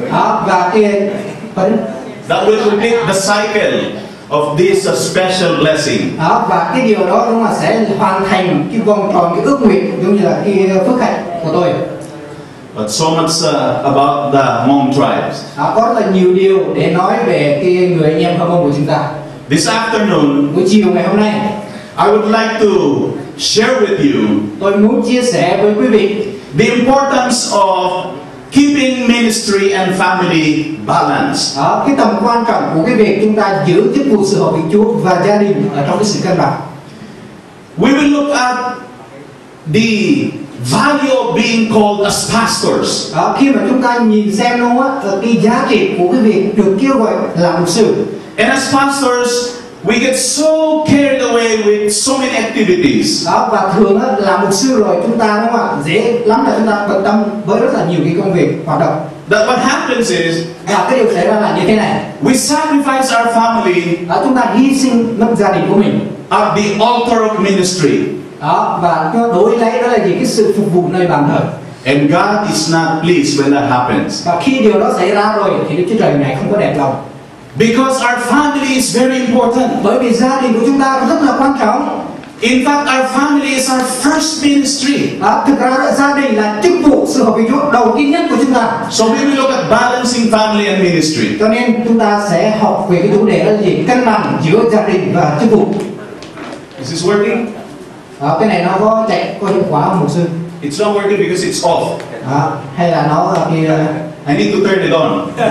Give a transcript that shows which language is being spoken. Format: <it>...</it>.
<en>That will repeat the cycle of this special blessing.</en> <vi>Và cái điều đó đúng là sẽ hoàn thành cái vòng tròn cái ước nguyện giống như là cái phước hạnh của tôi.</vi> <en>But so much about the Hmong tribes.</en> <vi>Có rất là nhiều điều để nói về cái người anh em Hmong của chúng ta.</vi> <en>This afternoon.</en> <vi>Buổi chiều ngày hôm nay.</vi> <en>I would like to share with you.</en> <vi>Tôi muốn chia sẻ với quý vị.</vi> <en>The importance of keeping ministry and family balance.</en> <vi>Cái tầm quan trọng của cái việc chúng ta giữ chức vụ sự hợp vị Chúa và gia đình ở trong cái sự cân bằng.</vi> <en>We will look at the value of being called as pastors.</en> <vi>Khi mà chúng ta nhìn xem luôn á, cái giá trị của cái việc được kêu gọi làm mục sư.</vi> <en>And as pastors, we get so carried away with so many activities.</en> <vi>Và thường là mục sư rồi chúng ta đúng không ạ? Dễ lắm là chúng ta bận tâm với rất là nhiều cái công việc hoạt động.</vi> <en>That what happens is,</en> <vi>cái điều xảy ra là như thế này.</vi> <en>We sacrifice our family.</en> <vi>Chúng ta hy sinh lập gia đình của mình.</vi> <en>At the altar of ministry.</en> <vi>Và đổi lấy đó là gì? Cái sự phục vụ nơi bàn thờ.</vi> <en>And God is not pleased when that happens.</en> <vi>Và khi điều đó xảy ra rồi thì Đức Chúa Trời ngài không có đẹp lòng.</vi> <en>Because our family is very important.</en> <vi>Bởi vì gia đình của chúng ta rất là quan trọng.</vi> <en>In fact, our family is our first ministry.</en> <vi>Thực ra gia đình là chức vụ sự hợp vị Chúa đầu tiên nhất của chúng ta.</vi> <en>So we will look at balancing family and ministry.</en> <vi>Cho nên chúng ta sẽ học về cái chủ đề đó là gì? Cân bằng giữa gia đình và chức vụ.</vi> <en>Is this working?</en> <vi>Cái này nó có chạy có hiệu quả không, mục sư?</vi> <en>It's not working because it's off.</en> <vi>Hay là nó thì</vi> <en>I need to turn it on.</en>